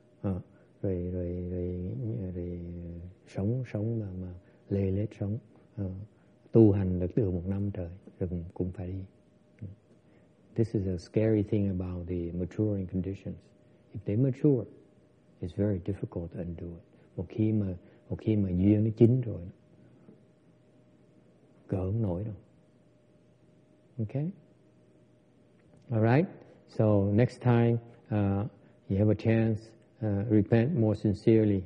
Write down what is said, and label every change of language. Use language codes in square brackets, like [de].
[vi] Rồi sống, tu hành được từ 1 năm trời rồi cũng phải đi. [en] This is a scary thing about the maturing conditions. If they mature, it's very difficult to undo it. [vi] Một khi mà duyên nó chín rồi, gỡ không nổi đâu. [en] Okay. All right. So next time you have a chance, repent more sincerely.